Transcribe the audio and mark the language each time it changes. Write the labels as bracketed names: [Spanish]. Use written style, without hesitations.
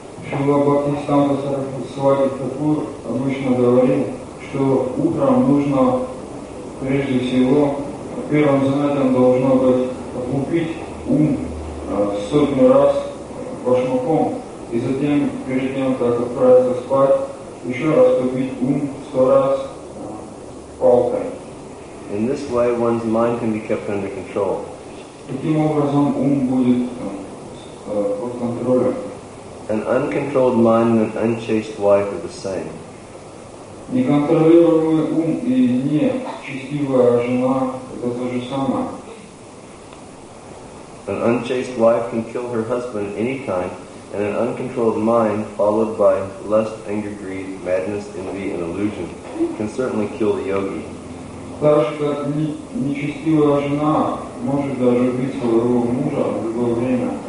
[Russian] Шрила Бхактисиддханта Сарасвати Такур обычно говорил, что утром нужно, прежде всего, первым занятием должно быть окупить ум сотни раз башмаком, и затем, перед тем, как отправиться спать, еще раз побить ум 100 раз палкой. [English] In this way, one's mind can be kept under control. [Russian] Таким образом, ум будет под контролем. [English] An uncontrolled mind and an unchaste wife are the same. [Russian] Неконтролируемый ум и нечестивая жена – это то же самое. [English] An unchaste wife can kill her husband any time, and an uncontrolled mind, followed by lust, anger, greed, madness, envy, and illusion, can certainly kill the yogi. [Russian] Даже как нечестивая жена может даже убить своего мужа в любое время.